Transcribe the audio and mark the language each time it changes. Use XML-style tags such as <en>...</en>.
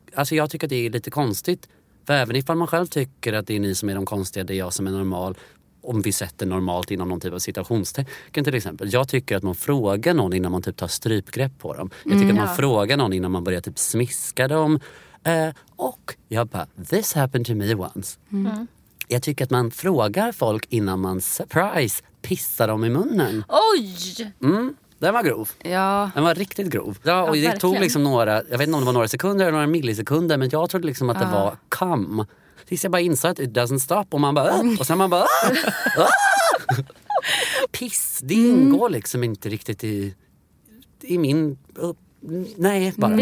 <sv>Alltså jag tycker att det är lite konstigt. För även ifall man själv tycker att det är ni som är de konstiga, det är jag som är normal, om vi sätter normalt inom någon typ av situationstecken till exempel. Jag tycker att man frågar någon innan man typ tar strypgrepp på dem. Jag tycker att man frågar någon innan man börjar typ smiska dem. Och jag bara,</sv> <en>this happened to me once. Mm.</en> <sv>Jag tycker att man frågar folk innan man, surprise, pissar dem i munnen. Oj! Mm. Den var grov. Ja. Den var riktigt grov. Ja, och det tog liksom några, jag vet inte om det var några sekunder eller några millisekunder, men jag trodde liksom att det var cum. Tills jag bara insåg att</sv> <en>it doesn't stop,</en> <sv>och man bara, och sen man bara, piss, det ingår liksom inte riktigt i min, nej, bara</sv>